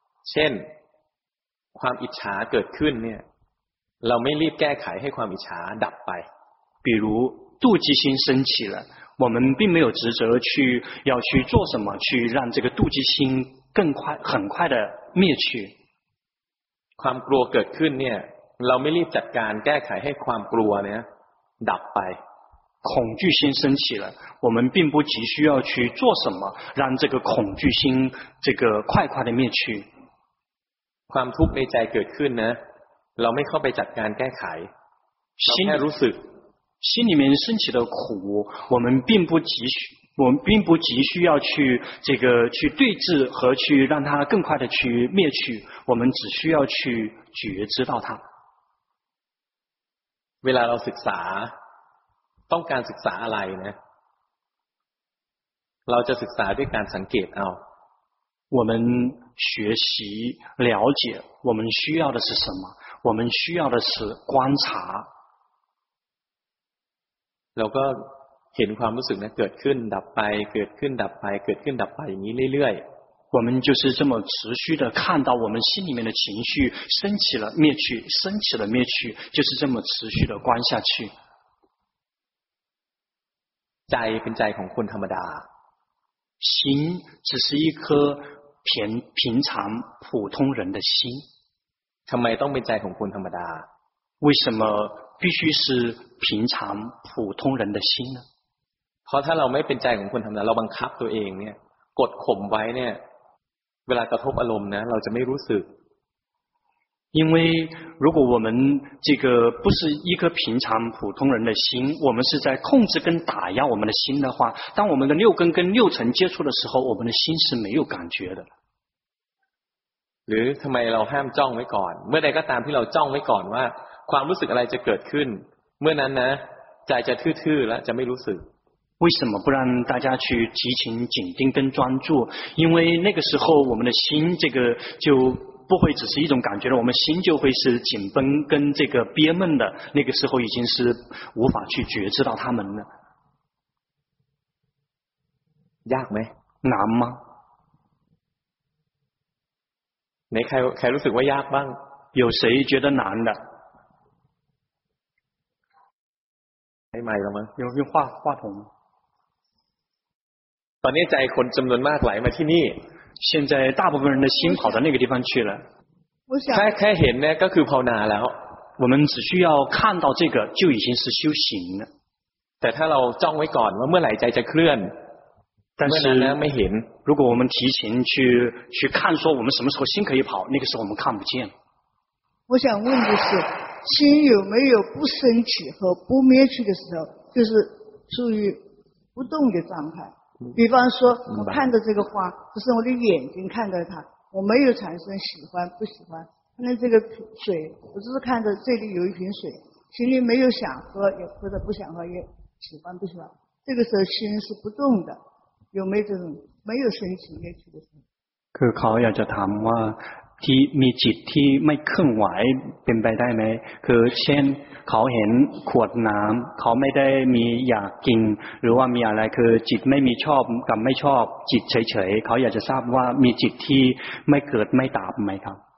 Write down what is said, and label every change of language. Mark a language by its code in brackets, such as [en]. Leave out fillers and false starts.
[th] เช่นความอิจฉาเกิดขึ้นเนี่ยเราไม่รีบแก้ไขให้ความอิจฉาดับไป [zh] 比如妒忌心升起了我们并没有职责去要去做什么去让这个妒忌心更快很快的灭去 [th] ความกลัวเกิดขึ้นเนี่ยเราไม่รีบจัดการแก้ไขให้ความกลัวเนี่ยดับไป [zh] 恐惧心升起了我们并不急需要去做什么让这个恐惧心这个快快的灭去 [th] ความทุกข์ในใจเกิดขึ้นนะเราไม่เข้าไปจัดการแก้ไขเราแค่รู้สึก [zh] 心里面升起的苦我们并不急需我们并不急需要去这个去对峙和去让它更快的去灭去我们只需要去觉知到它 [th] เวลาเราศึกษาต้องการศึกษาอะไรนะเราจะศึกษาด้วยการสังเกตเอา [zh] 我们学习了解我们需要的是什么我们需要的是观察 [th] แล้วก็เห็นความรู้สึกนั้นเกิดขึ้นดับไปเกิดขึ้นดับไปเกิดขึ้นดับไปอย่างนี้เรื่อย [zh] ๆ我们就是这么持续的看到我们心里面的情绪升起了灭去升起了灭去就是这么持续的观下去 [th] ใจเป็นใจของคนธรรมดา [zh] 心只是一颗平常普通人的心 [th] ทำไมต้องเป็นใจของคนธรรมดา [zh] 为什么必须是平常普通人的心呢 [th] เพราะถ้าเราไม่เป็นใจของคนธรรมดาเราบังคับตัวเองเนี่ยกดข่มไว้เนี่ยเวลากระทบอารมณ์นะเราจะไม่รู้สึก [zh] 因为如果我们这个不是一颗平常普通人的心，我们是在控制跟打压我们的心的话，当我们的六根跟六尘接触的时候，我们的心是没有感觉的。 [th] หรือทำไมเราห้ามจ้องไว้ก่อนเมื่อใดก็ตามที่เราจ้องไว้ก่อนว่าความรู้สึกอะไรจะเกิดขึ้นเมื่อนั้นนะใจจะทื่อๆและจะไม่รู้สึก [zh] 为什么不让大家去提前紧盯跟专注？因为那个时候我们的心这个就不会只是一种感觉了，我们心就会是紧绷跟这个憋闷的，那个时候已经是无法去觉知到他们了。 [th] ยากไ [zh] หม？ 难吗？ [th] ในใครใครรู้สึกว่ายากบ้าง？ [zh] 有谁觉得难的？ [th] ไอ้ใหม่ [zh] 了吗？用用话话筒。 [th] ตอนนี้ใจคนจำนวนมากไหลมาที่นี่ [zh] 现在大部分人的心跑到那个地方去了 [th] แค่เห็นเนี่ยก็คือภาวนาแล้ว [zh] 我们只需要看到这个就已经是修行了 [th] แต่ถ้าเราจ้องไว้ก่อนว่าเมื่อไหร่ใจจะเคลื่อน เมื่อนั้นไม่เห็น [zh] 如果我们提前去看说我们什么时候心可以跑那个时候我们看不见我想问的是心有没有不升起和不灭去的时候就是属于不动的状态比方说我看着这个花只是我的眼睛看着它我没有产生喜欢不喜欢看着这个水我只是看着这里有一瓶水心里没有想喝也或者不想喝也喜欢不喜欢这个时候心是不动的有没有这种没有生起灭去的时候 [th] คือเขาอยากจะถามว่าที่มีจิตที่ไม่เคลื่อนไหวเป็นไปได้ไหมคือเช่นเขาเห็นขวดน้ำเขาไม่ได้มีอยากกินหรือว่ามีอะไรคือจิตไม่มีชอบกับไม่ชอบจิตเฉยๆเขาอยากจะทราบว่ามีจิตที่ไม่เกิดไม่ดับไหมครับ